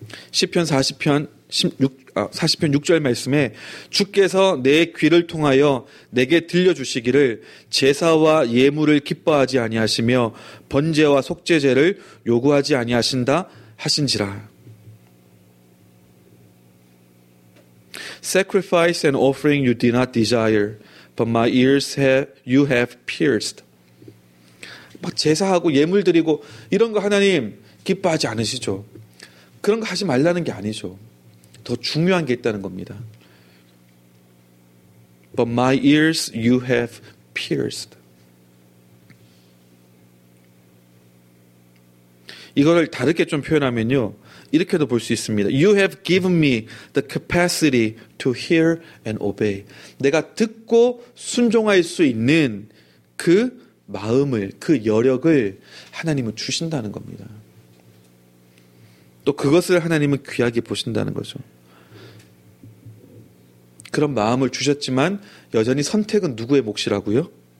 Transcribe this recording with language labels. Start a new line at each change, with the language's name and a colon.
Korean: 시편 40편 6절 말씀에 주께서 내 귀를 통하여 내게 들려주시기를 제사와 예물을 기뻐하지 아니하시며 번제와 속죄제를 요구하지 아니하신다 하신지라.
English: Sacrifice and offering you did not desire, but my ears you have pierced.
Korean: 막 제사하고 예물 드리고 이런 거 하나님 기뻐하지 않으시죠? 그런 거 하지 말라는 게 아니죠. 더 중요한 게 있다는 겁니다.
English: But my ears you have pierced.
Korean: 이거를 다르게 좀 표현하면요. 이렇게도 볼 수 있습니다.
English: You have given me the capacity to hear and obey.
Korean: 내가 듣고 순종할 수 있는 그 마음을, 그 여력을 하나님은 주신다는 겁니다. 또 그것을 하나님은 귀하게 보신다는 거죠. 그런 마음을 주셨지만 여전히 선택은 누구의 몫이라고요?